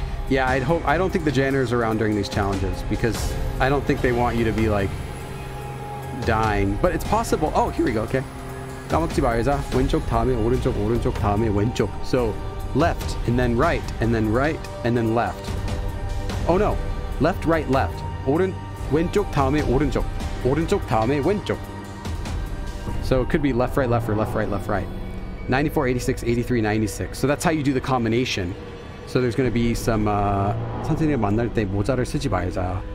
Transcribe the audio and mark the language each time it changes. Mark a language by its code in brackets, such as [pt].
[en] Yeah, I don't think the janitor's around during these challenges, because I don't think they want you to be, like, dying. But it's possible. Oh, here we go. Okay. [ko] 까먹지 말자. 왼쪽 다음에 오른쪽, 오른쪽 다음에 왼쪽. [en] So, left, and then right, and then right, and then left. Oh, no. Left, right, left. [ko] 오른, 왼쪽 다음에 오른쪽. 오른쪽 다음에 왼쪽. [en] So, it could be left, right, left, or left, right, left, right. 94, 86, 83, 96. So, that's how you do the combination. So there's going to be some [ko] 선생님 만날 때 모자를 쓰지 말자.